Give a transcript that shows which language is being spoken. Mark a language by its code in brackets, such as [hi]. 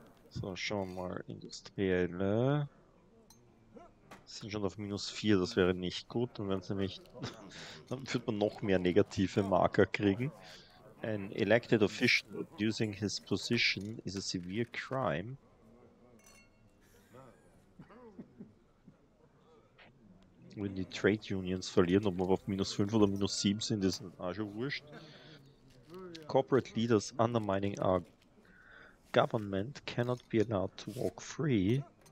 [de] So, schauen wir mal. Industrielle sind schon auf minus 4, das wäre nicht gut. Dann werden sie nämlich. Dann wird man noch mehr negative Marker kriegen. [en] An elected official abusing his position is a severe crime. [de] Wenn die Trade Unions verlieren, ob wir auf minus 5 oder minus 7 sind, ist auch schon wurscht. [en] Corporate leaders undermining our government cannot be allowed to walk free.